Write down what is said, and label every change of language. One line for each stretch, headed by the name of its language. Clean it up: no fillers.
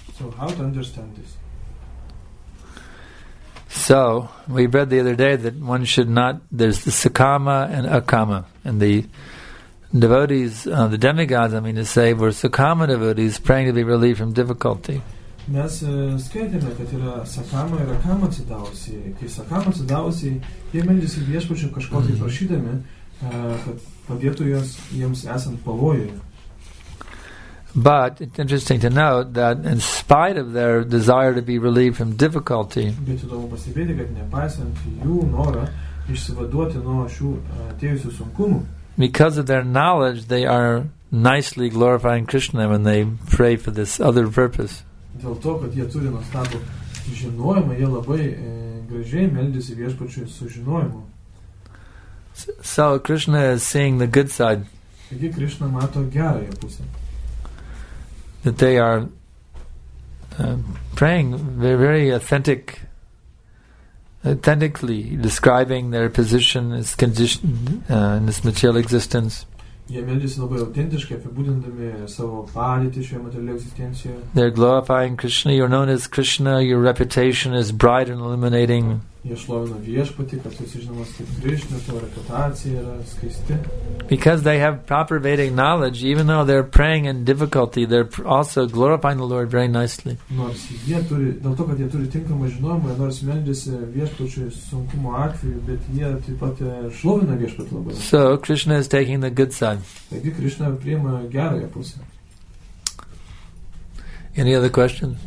English: So how to understand this? So, we read the other day that one should not, there's the Sakama and Akama. And the devotees, the demigods, I mean to say, were Sakama devotees praying to be relieved from difficulty.
Lithuanian: Mes skaitėme, kad yra Sakama ir Akama atsidavusi. Kai Sakama atsidavusi, jie meldžiasi viešpačiu kažko tai prašydami, kad padėtų jos jiems esant pavojuje.
English: But it's interesting to note that in spite of their desire to be relieved from difficulty,
Lithuanian: bet įdomu pastebėti, kad nepaisant jų norą išsivaduoti nuo šių atėjusių sunkumų,
English: because of their knowledge, they are nicely glorifying Krishna when they pray for this other purpose.
Lithuanian: Dėl to, kad jie turi nuostabų žinojimą, jie labai gražiai meldėsi viešpačiui su žinojimu.
English: So Krishna is seeing the good side.
Lithuanian: Taigi Krishna mato gerąją pusę.
English: That they are praying very authentically describing their position, its condition in this material existence.
Lithuanian: Jie meldžiasi labai autentiškai, apibūdindami savo padėtį šioje materialioje egzistencijoje.
English: They're glorifying Krishna. You're known as Krishna. Your reputation is bright and illuminating.
Lithuanian: Jie šlovina viešpatį, kad jūs žinomas kaip Krishna, tavo reputacija yra skaisti.
English: Because they have proper Vedic knowledge, even though they're praying in difficulty, they're also glorifying the Lord very nicely.
Lithuanian: Nors jie turi, dėl to, kad jie turi tinkamą žinojimą, nors meldžiasi viešpačiui sunkumo atveju, bet jie taip pat šlovina viešpatį labai.
English: So Krishna is taking the good side.
Lithuanian: Taigi Krishna priima gerąją pusę.
English: Any other questions?